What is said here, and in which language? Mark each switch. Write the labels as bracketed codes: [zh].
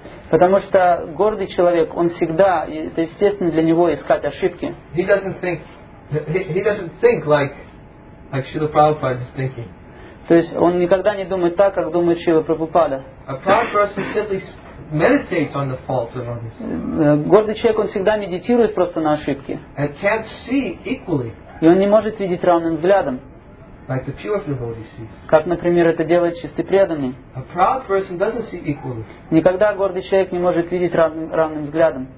[ru] Потому что гордый человек, он всегда, это естественно для него искать ошибки. [en] He doesn't think like Śrīla Prabhupāda is thinking. [ru] То есть он никогда не думает так, как думает Śrīla Prabhupāda. [en] A proud person simply meditates on the faults of others. [ru] Гордый человек, он всегда медитирует просто на ошибки. [en] And can't see equally. [ru] И он не может видеть равным взглядом. [en] Like the pure devotee sees. [ru] Как, например, это делает чистый преданный. [en] A proud person doesn't see equally. [ru] Никогда гордый человек не может видеть равным взглядом.